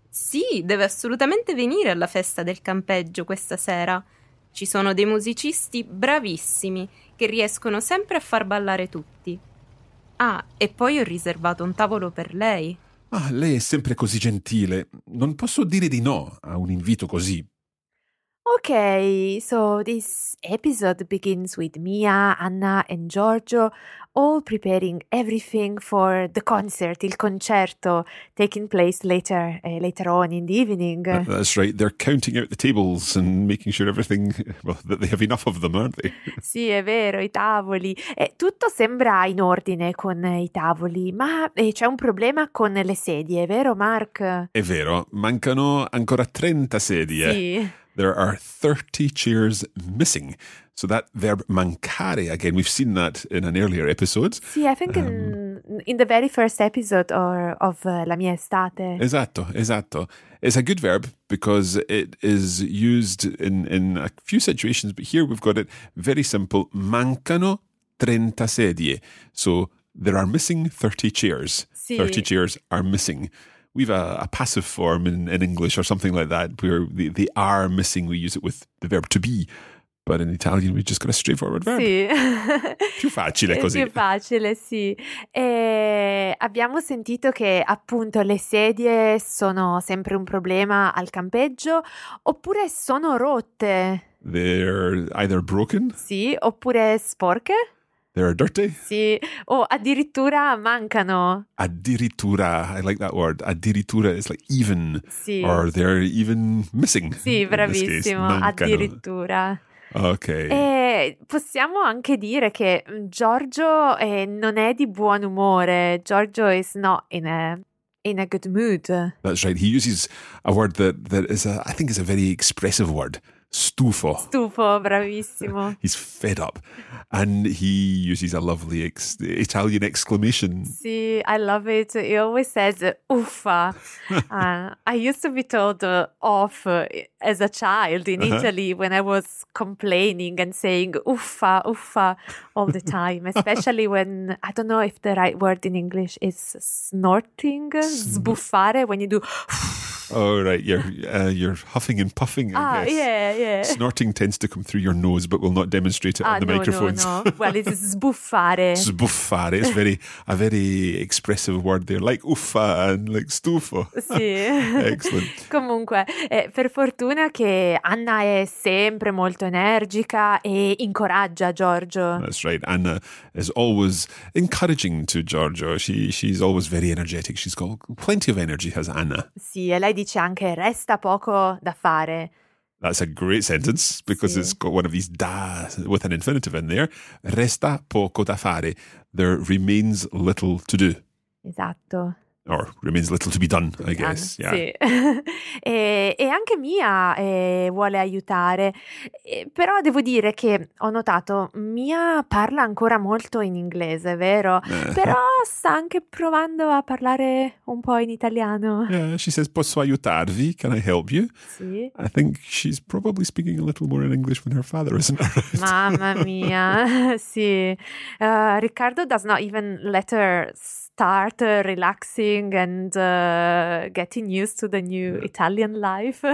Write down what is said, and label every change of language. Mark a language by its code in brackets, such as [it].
[it] Sì, deve assolutamente venire alla festa del campeggio questa sera. Ci sono dei musicisti bravissimi che riescono sempre a far ballare tutti. Ah, e poi ho riservato un tavolo per lei. Ah, lei è sempre così gentile. Non posso dire di no a un invito così. [en] Ok, so this episode begins with Mia, Anna and Giorgio all preparing everything for the concert, [it] il concerto, [en] taking place later on in the evening. That's right, they're counting out the tables and making sure everything, well, that they have enough of them, aren't they? [it] Sì, è vero, i tavoli. Tutto sembra in ordine con i tavoli, ma c'è un problema con le sedie, è vero, Mark? È vero, mancano ancora 30 sedie. Sì. [en] There are 30 chairs missing. So that verb mancare, again, we've seen that in an earlier episode. Sì, I think in the very first episode of La mia estate. [it] Esatto, esatto. [en] It's a good verb because it is used in a few situations, but here we've got it very simple. [it] Mancano 30 sedie. [en] So there are missing 30 chairs. [it] Sì. [en] 30 chairs are missing. We've a passive form in English or something like that where the are missing, we use it with the verb to be. But in Italian we've just got a straightforward verb. [it] Sì. Più facile così. Più facile, sì. E abbiamo sentito che appunto le sedie sono sempre un problema al campeggio oppure sono rotte. [en] They're either broken. [it] Sì, oppure sporche. [en] They're dirty? [it] Sì, o addirittura mancano. [en] Addirittura, I like that word. Addirittura is like even. [it] Sì. [en] Or they're even missing. [it] Sì, bravissimo. Addirittura. Ok. E possiamo anche dire che Giorgio non è di buon umore. [en] Giorgio is not in a good mood. That's right. He uses a word that is, I think, is a very expressive word. [it] Stufo. Stufo, bravissimo. [en] He's fed up. And he uses a lovely Italian exclamation. Sì, I love it. He always says, uffa. I used to be told off as a child in Italy when I was complaining and saying uffa, uffa all the time. Especially when, I don't know if the right word in English is snorting, sbuffare, when you do Oh, right. You're huffing and puffing, I guess. Yeah. Snorting tends to come through your nose, but we'll not demonstrate it on the microphones. No. Well, it's sbuffare. [it] Sbuffare. [en] It's a very expressive word there, like uffa and like stufo. [it] Sì. [en] Excellent. [it] Comunque, per fortuna che Anna è sempre molto energica e incoraggia Giorgio. [en] That's right. Anna is always encouraging to Giorgio. She's always very energetic. She's got plenty of energy, has Anna. [it] Sì. [en] E lei dice anche, [it] resta poco da fare. [en] That's a great sentence, because It's got one of these da with an infinitive in there. [it] Resta poco da fare. [en] There remains little to do. [it] Esatto. [en] Or remains little to be done, I guess. Yeah. [it] Sì. E anche Mia vuole aiutare. Però devo dire che ho notato Mia parla ancora molto in inglese, vero? Però sta anche provando a parlare un po' in italiano. [en] Yeah, she says, [it] posso aiutarvi? [en] Can I help you? [it] Sì. [en] I think she's probably speaking a little more in English than her father, isn't it? Right? [it] Mamma mia, sì. [en] Riccardo does not even let her start relaxing and getting used to the new Italian life.